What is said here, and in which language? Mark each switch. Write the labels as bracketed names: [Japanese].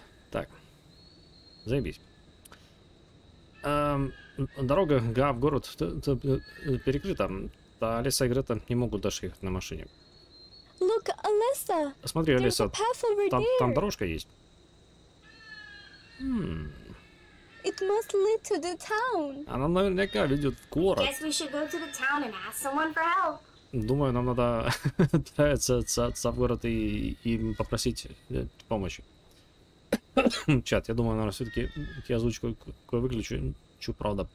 [Russian] Так, заебись. Дорога в город перекрыта. Да, Алиса и Грета не могут даже ехать на машине. [English] Look, Alyssa, [Russian] смотри, Алиса, там дорожка есть. [English] It must lead to the town. [Russian] Она наверняка ведет в город. [English] Guess we should go to the town and ask someone for help. [Russian] Думаю, нам надо отправиться в город и попросить помощи. Чат, я думаю, наверное, все-таки я озвучку выключу, правда.